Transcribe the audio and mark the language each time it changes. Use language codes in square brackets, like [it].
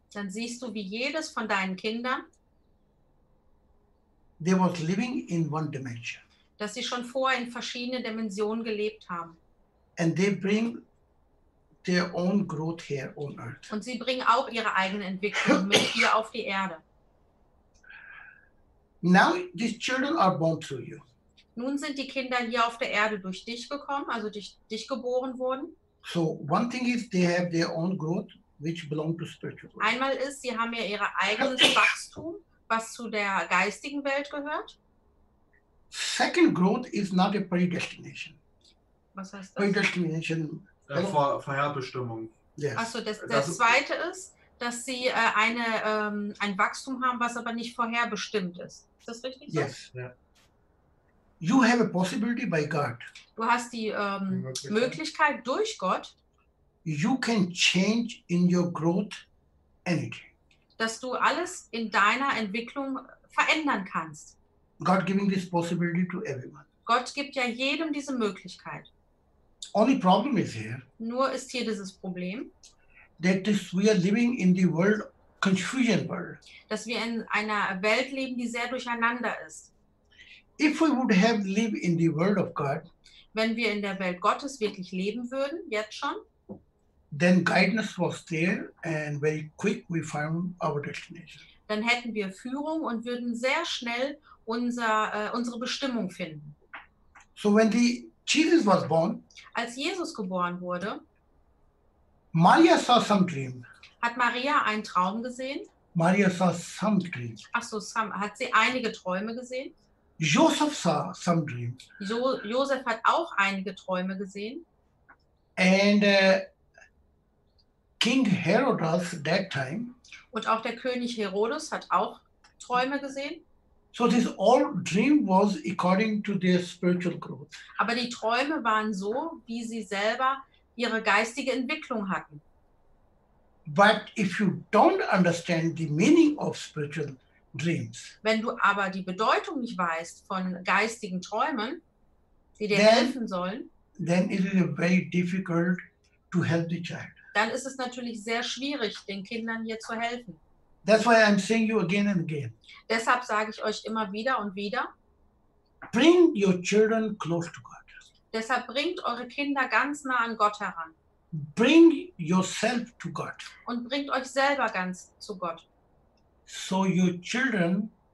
[de] Dann siehst du, wie jedes von deinen Kindern. [en] They was living in one dimension. [de] Dass sie schon vorher in verschiedenen Dimensionen gelebt haben. [en] And they bring their own growth here on earth. [de] Und sie bringen auch ihre eigene Entwicklung mit hier auf die Erde. [en] Now these children are born through you. [de] Nun sind die Kinder hier auf der Erde durch dich gekommen, also durch dich geboren worden. [en] So one thing is they have their own growth which belongs to spiritual world. [de] Einmal ist, sie haben ja ihr eigenes Wachstum, was zu der geistigen Welt gehört. [en] Second growth is not a predestination. [de] Was heißt das? [en] Predestination. [de] Vorherbestimmung. [en] Yes. [de] Achso, das zweite ist, dass sie ein Wachstum haben, was aber nicht vorherbestimmt ist. Ist das richtig? [en] Yes. Yeah. You have a possibility by God. [de] Du hast die Möglichkeit durch Gott. [en] You can change in your growth energy. [de] Dass du alles in deiner Entwicklung verändern kannst. [en] God giving this possibility to everyone. [de] Gott gibt ja jedem diese Möglichkeit. [en] Only problem is here. [de] Nur ist hier dieses Problem. [en] That this we are living in the world, confusion world. [de] Dass wir in einer Welt leben, die sehr durcheinander ist. [en] If we would have lived in the world of God. [de] Wenn wir in der Welt Gottes wirklich leben würden, jetzt schon. [en] Then guidance was there and very quick we found our destination. [de] Dann hätten wir Führung und würden sehr schnell unsere Bestimmung finden. [en] So when the Jesus was born. [de] Als Jesus geboren wurde. [en] Maria saw some dream. [de] Hat Maria einen Traum gesehen? [en] Maria saw some dream. [de] Ach so, hat sie einige Träume gesehen? [en] Joseph saw some dream. [de] Josef hat auch einige Träume gesehen. [en] And King Herodas that time. [de] Und auch der König Herodes hat auch Träume gesehen. [en] So this all dream was according to their spiritual growth. [de] Aber die Träume waren so, wie sie selber ihre geistige Entwicklung hatten. [en] But if you don't understand the meaning of spiritual dreams. [de] Wenn du aber die Bedeutung nicht weißt von geistigen Träumen, die dir helfen sollen, [en] then it is very difficult to help the child. [de] Dann ist es natürlich sehr schwierig, den Kindern hier zu helfen. [en] That's why I'm saying you again and again. [de] Deshalb sage ich euch immer wieder und wieder. [en] Bring your children close to God. [de] Deshalb bringt eure Kinder ganz nah an Gott heran. [en] Bring yourself to God. [de] Und bringt euch selber ganz zu Gott. [en] So your children.